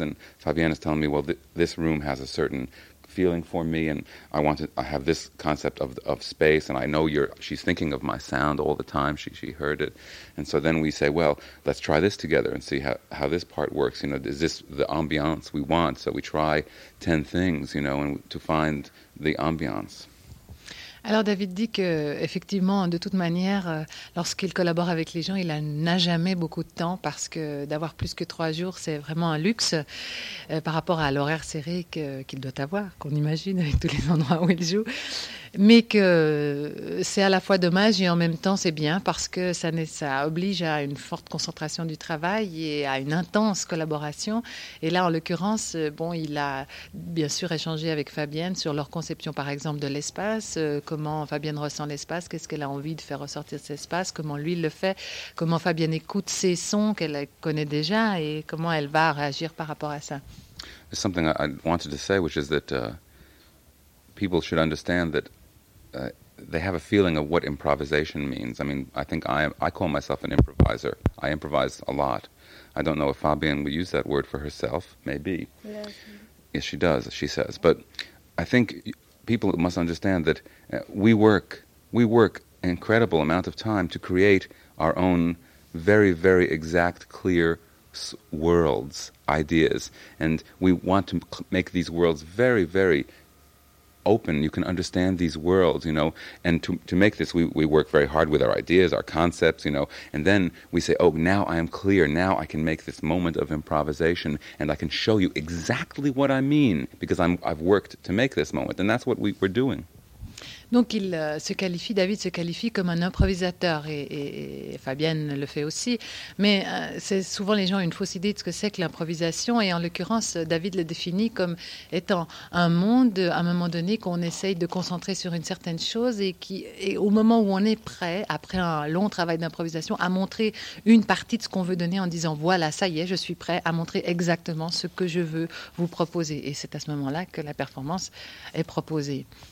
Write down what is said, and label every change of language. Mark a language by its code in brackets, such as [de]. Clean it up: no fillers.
[en] And Fabienne is telling me, well, this room has a certain feeling for me, and I have this concept of space, and I know she's thinking of my sound all the time. She heard it, and so then we say, well, let's try this together and see how this part works. You know, is this the ambiance we want? So we try 10 things, you know, and to find the ambiance. [fr] Alors David dit que effectivement, de toute manière, lorsqu'il collabore avec les gens, il n'a jamais beaucoup de temps parce que d'avoir plus que 3 jours, c'est vraiment un luxe par rapport à l'horaire serré qu'il doit avoir, qu'on imagine avec tous les endroits où il joue. Mais que c'est à la fois dommage et en même temps c'est bien parce que ça oblige à une forte concentration du travail et à une intense collaboration. Et là, en l'occurrence, bon, il a bien sûr échangé avec Fabienne sur leur conception, par exemple, de l'espace, comment Fabienne ressent l'espace, qu'est-ce qu'elle a envie de faire ressortir cet espace, comment lui le fait, comment Fabienne écoute ses sons qu'elle connaît déjà et comment elle va réagir par rapport à ça. [en] There's something I wanted to say, which is that people should understand that they have a feeling of what improvisation means. I mean, I think I call myself an improviser. I improvise a lot. I don't know if Fabienne will use that word for herself. Maybe. Yes. Yes, she does, she says. But I think people must understand that we work an incredible amount of time to create our own very, very exact, clear worlds, ideas. And we want to make these worlds very, very open. You can understand these worlds, you know. And to make this, we work very hard with our ideas, our concepts, you know. And then we say, oh, now I am clear. Now I can make this moment of improvisation and I can show you exactly what I mean because I've worked to make this moment. And that's what we're doing. [fr] Donc David se qualifie comme un improvisateur et Fabienne le fait aussi. Mais c'est souvent les gens ont une fausse idée de ce que c'est que l'improvisation et en l'occurrence David le définit comme étant un monde à un moment donné qu'on essaye de concentrer sur une certaine chose et au moment où on est prêt après un long travail d'improvisation à montrer une partie de ce qu'on veut donner en disant voilà ça y est je suis prêt à montrer exactement ce que je veux vous proposer et c'est à ce moment-là que la performance est proposée.